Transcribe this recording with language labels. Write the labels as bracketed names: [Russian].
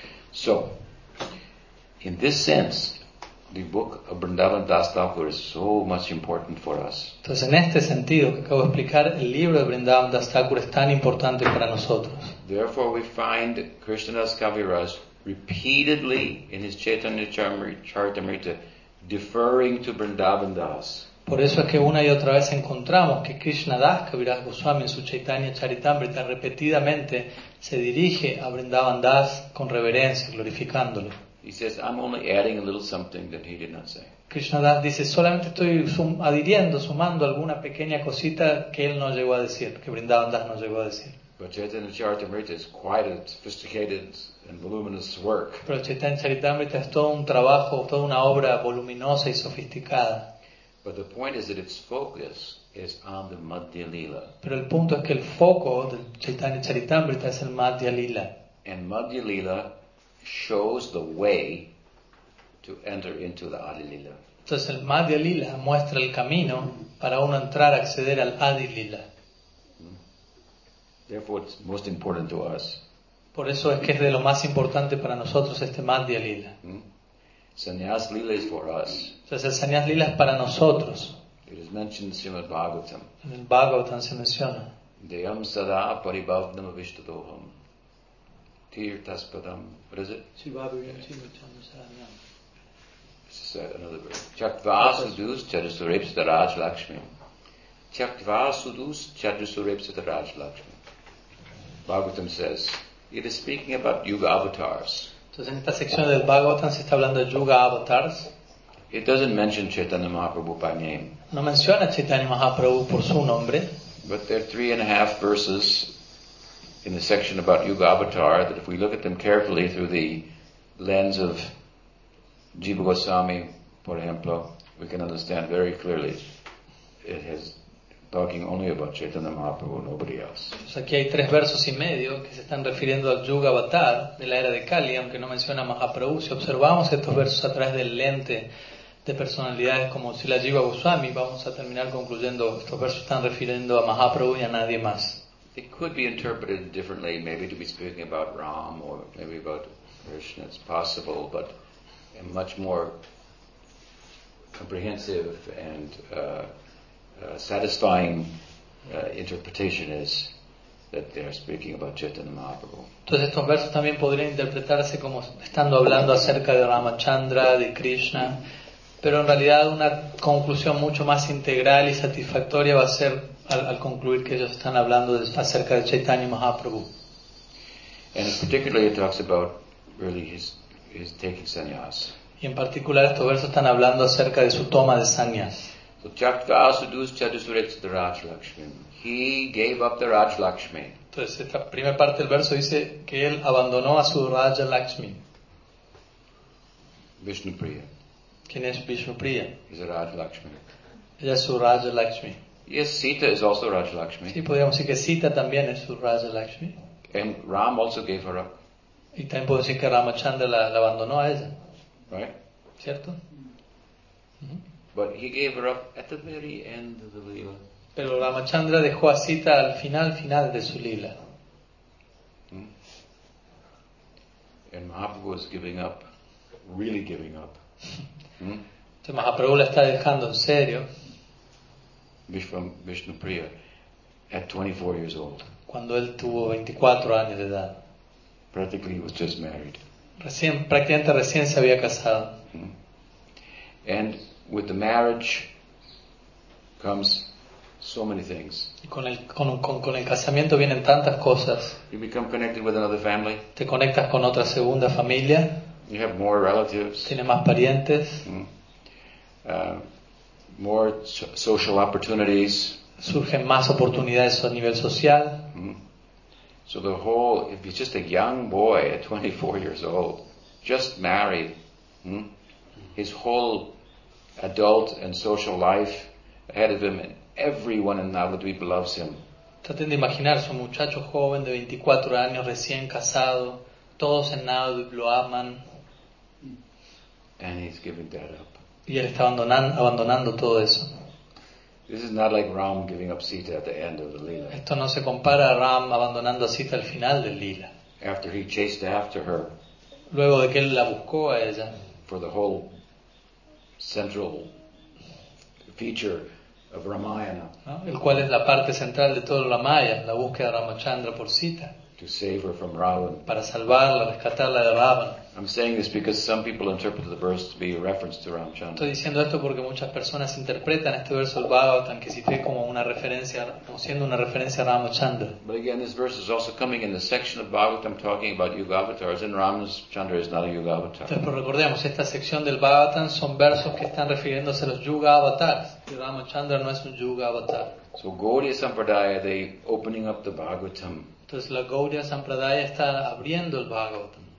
[English] So, in this sense, the book of Vrindavan Das Thakur is so much important for us. [Spanish] Entonces, en este sentido que acabo de explicar, el libro de Vrindavan Das Thakur es tan importante para nosotros. [English] Therefore, we find Krishnadas Kaviraj repeatedly in his Chaitanya Charitamrita deferring to Vrindavan Das. [Spanish] Por eso es que una y otra vez encontramos que Krishnadas Kaviraj Goswami en su Chaitanya Charitamrita repetidamente se dirige a Vrindavan Das con reverencia, glorificándolo. [English] He says, I'm only adding a little something that he did not say. [Spanish] Krishna Das dice, solamente estoy sumando alguna pequeña cosita que él no llegó a decir, que Vrindavan Das no llegó a decir. [English] But Chaitanya Charitamrita is quite a sophisticated and voluminous work. [Spanish] Pero Chaitanya Charitamrita es todo un trabajo, toda una obra voluminosa y sofisticada. [English] But the point is that its focus is on the Madhya Lila. [Spanish] Pero el punto es que el foco del Chaitanya Charitamrita es el Madhya Lila. [English] And Madhya Lila shows the way to enter into the Adi Lila. [Spanish] Entonces el Madhya Lila muestra el camino para uno entrar a acceder al Adi Lila. [English] Therefore, it's most important to us. [Spanish] Por eso es que es de lo más importante para nosotros este Madhya Lila. [English] Sannyas Lila is for us. [Spanish] Entonces el Sannyas Lila es para nosotros. [English] It is mentioned in Srimad Bhagavatam. [Spanish] En el Bhagavatam se menciona. [Sanskrit] Deyam sada paribhavnam avishtadoham. Tirthaspadam. [English] What is it? [Sanskrit] Chivabhiryam chivacham saranyam. [English] This is another word. [Sanskrit] Chakvasudus chadusurepsita raj lakshmi. Chakvasudus chadusurepsita raj lakshmi. [English] Bhagavatam says, it is speaking about yuga avatars. [Spanish] Entonces en esta sección del Bhagavatam se está hablando de yuga avatars. [English] It doesn't mention Chaitanya Mahaprabhu by name. [Spanish] No menciona Chaitanya Mahaprabhu por su nombre. [English] But there are 3.5 verses in the section about yuga avatar that if we look at them carefully through the lens of Jiva Goswami, [Spanish] por ejemplo, [English] we can understand very clearly it has talking only about Chaitanya Mahaprabhu, nobody else. [Spanish] Entonces aquí hay 3.5 versos que se están refiriendo al yuga avatar de la era de Kali, aunque no menciona Mahaprabhu. Si observamos estos versos a través del lente de personalidades como Srila Jiva Goswami, vamos a terminar concluyendo estos versos están refiriendo a Mahaprabhu y a nadie más. [English] It could be interpreted differently, maybe to be speaking about Ram or maybe about Krishna, it's possible, but a much more comprehensive and satisfying interpretation is that they are speaking about Chaitanya Mahaprabhu. [Spanish] Entonces estos versos también podrían interpretarse como estando hablando acerca de Ramachandra, de Krishna, pero en realidad una conclusión mucho más integral y satisfactoria va a ser al concluir que ellos están hablando acerca de Chaitanya Mahaprabhu. [English] And particularly it talks about really his taking sannyas. [Spanish] Y en particular estos versos están hablando acerca de su toma de sannyas. [English] So [Sanskrit] Chakvasudus Chadusurepsita Raj Lakshmi. [English] He gave up the Raj Lakshmi. [Spanish] Entonces esta primera parte del verso dice que él abandonó a su Raja Lakshmi. [English] Vishnu Priya. [Spanish] ¿Quién es Vishnu Priya? [English] He's a Raj Lakshmi. [Spanish] Ella es su Raja Lakshmi. [English] Yes, Sita is also Raj Lakshmi. [Spanish] Sí, podríamos decir que Sita también es su Raja Lakshmi. [English] And Ram also gave her up. [Spanish] Y también podemos decir que Ramachandra la abandonó a ella. [English] Right. [Spanish] ¿Cierto? [English] But he gave her up at the very end of the lila. [Spanish] Pero Ramachandra dejó a Sita al final de su lila. [English] And Mahaprabhu is giving up, really giving up. [Spanish] Entonces Mahaprabhu la está dejando en serio. [English] Vishnu Priya, at 24 years old. [Spanish] Cuando él tuvo 24 años de edad. [English] Practically was just married. [Spanish] Prácticamente recién se había casado. [English] And with the marriage comes so many things. [Spanish] Con el casamiento vienen tantas cosas. [English] You become connected with another family. [Spanish] Te conectas con otra segunda familia. [English] You have more relatives. [Spanish] Tienes más parientes. [English] More social opportunities. [Spanish] Surgen más oportunidades a nivel social. [English] So the whole, if he's just a young boy at 24 years old, just married, his whole adult and social life ahead of him, and everyone in Navadvip loves him. [Spanish] Traten de imaginarse un muchacho joven de 24 años, recién casado, todos en Navadvip lo aman. [English] And he's giving that up. [Spanish] Y él está abandonando todo eso. [English] This is not like Ram giving up Sita at the end of the Lila. [Spanish] Esto no se compara a Ram abandonando a Sita al final del Lila. [English] After he chased after her. [Spanish] Luego de que él la buscó a ella. [English] For the whole central feature of Ramayana. [Spanish] ¿No? El cual es la parte central de todo Ramayana, la búsqueda de Ramachandra por Sita. [English] To save her from Ravan. [Spanish] Para salvarla, rescatarla de Ravan. [English] I'm saying this because some people interpret the verse to be a reference to Ramchandra. [Spanish] Estoy diciendo esto porque muchas personas interpretan este verso del Bhagavatam que cité como una referencia, como siendo una referencia a Ramachandra. [English] But again, this verse is also coming in the section of Bhagavatam talking about Yugavatars, and Ramachandra is not a Yugavatar. [Spanish] Entonces, pero recordemos, esta sección del Bhagavatam son versos que están refiriéndose a los Yugavatars, y Ramachandra no es un Yugavatar. [English] So Gaudiya Sampradaya, they opening up the Bhagavatam. [Spanish] Entonces la Gaudiya Sampradaya está abriendo el Bhagavatam.